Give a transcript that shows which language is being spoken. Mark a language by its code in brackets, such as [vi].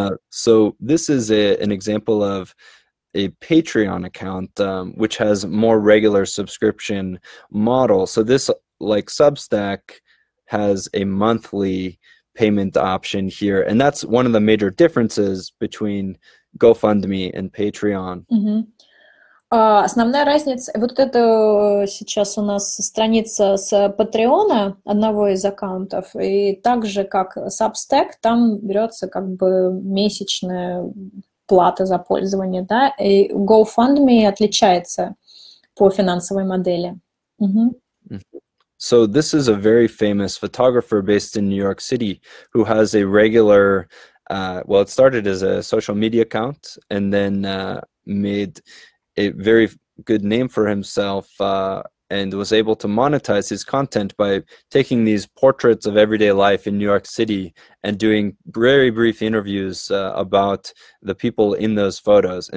[en] So this is an example of a Patreon account, which has more regular subscription model. So this, like Substack, has a monthly payment option here, and that's one of the major differences between GoFundMe and Patreon. [ru] Основная разница, вот это сейчас у нас страница с Патреона, одного из аккаунтов, и также как Substack, там берется как бы месячная плата за пользование, да, и GoFundMe отличается по финансовой модели. [en] So this is a very famous photographer based in New York City who has a regular, well, it started as a social media account and then made a very good name for himself and was able to monetize his content by taking these portraits of everyday life in New York City and doing very brief interviews about the people in those photos.